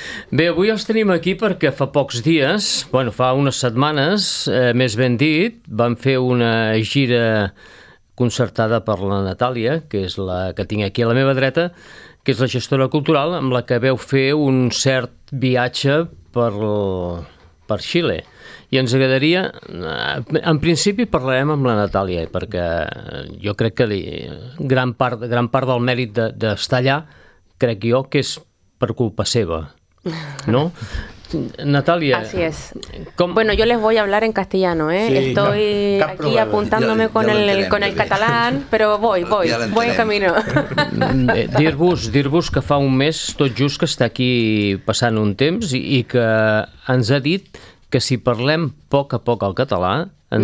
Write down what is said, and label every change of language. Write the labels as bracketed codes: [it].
[ca] Bé, avui els tenim aquí perquè fa pocs dies, bueno, fa unes setmanes, més ben dit, vam fer una gira concertada per la Natàlia, que és la que tinc aquí a la meva dreta, que és la gestora cultural, amb la que veu fer un cert viatge per Xile. I ens agradaria, en principi parlarem amb la Natàlia, perquè jo crec que gran part del mèrit d'estar allà, crec jo que és per culpa seva, no? Natàlia, [es] así es. Bueno, yo les voy a hablar en castellano, ¿eh? Sí, estoy no, aquí apuntándome ya, con el catalán, pero voy en camino. [ca] Dir-vos que fa un mes, tot just, que està aquí passant un temps i que ens ha dit que si parlem poc a poc el català, ens